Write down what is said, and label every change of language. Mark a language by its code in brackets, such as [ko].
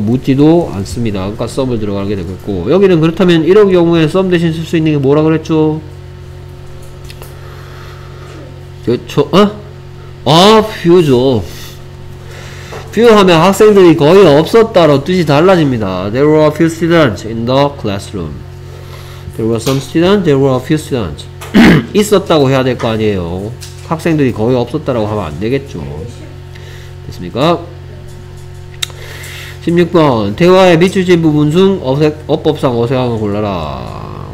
[ko] 묻지도 않습니다. 그러니까 some을 들어가게 되겠고 여기는 그렇다면 이런 경우에 some 대신 쓸 수 있는 게 뭐라 그랬죠? 그렇죠. 어? 아, few죠. few 하면 학생들이 거의 없었다로 뜻이 달라집니다. [en] There were a few students in the classroom. There were some students, there were a few students. [ko] 있었다고 해야 될 거 아니에요. 학생들이 거의 없었다라고 하면 안 되겠죠. 됐습니까? 16번. 대화에 비추진 부분 중 어법상 어색한 걸 골라라.